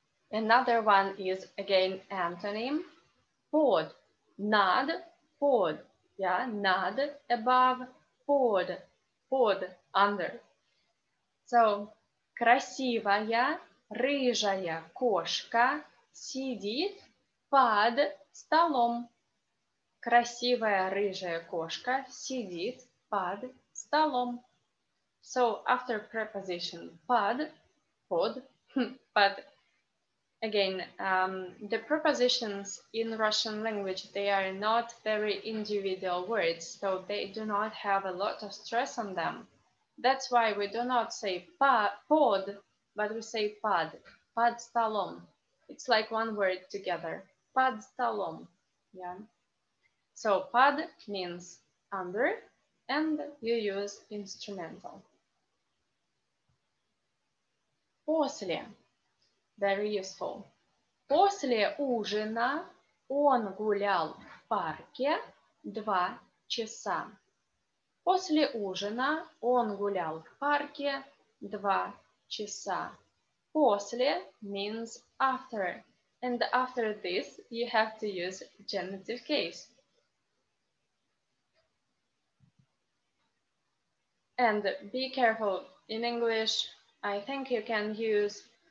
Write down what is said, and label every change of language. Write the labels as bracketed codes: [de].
[en] Another one is again antonym. Под. Над. Под. Yeah. Над. Above. Под. Под. Under. [ru] So, красивая рыжая кошка сидит под столом. Красивая рыжая кошка сидит под столом. [en] So, after preposition под, again, the prepositions in Russian language, they are not very individual words, so they do not have a lot of stress on them. That's why we do not say под, but we say под столом. It's like one word together, под столом, yeah. So под means under, and you use instrumental. После, very useful. [ru] После ужина он гулял в парке 2 часа. После ужина он гулял в парке 2 часа. [en] После means after. And after this, you have to use genitive case. And be careful. In English, I think you can use...